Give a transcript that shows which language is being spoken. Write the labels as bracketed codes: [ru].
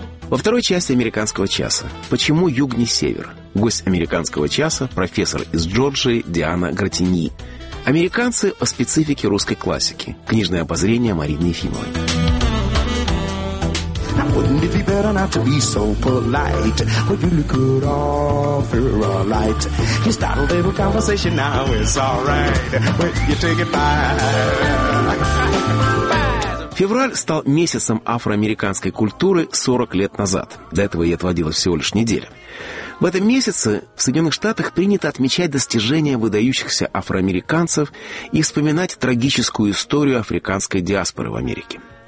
[ru] Во второй части «Американского часа». Почему юг не север? Гость «Американского часа» – профессор из Джорджии Диана Гратини. Американцы о специфике русской классики. Книжное обозрение Марины Ефимовой. [en] Wouldn't it be better not to be so polite? Well, you could offer a light. You start a little conversation now, it's all right. But you take it back. [ru] Февраль стал месяцем афроамериканской культуры 40 лет назад. До этого ей отводилась всего лишь неделя. В этом месяце в Соединенных Штатах принято отмечать достижения выдающихся афроамериканцев и вспоминать трагическую историю африканской диаспоры в Америке.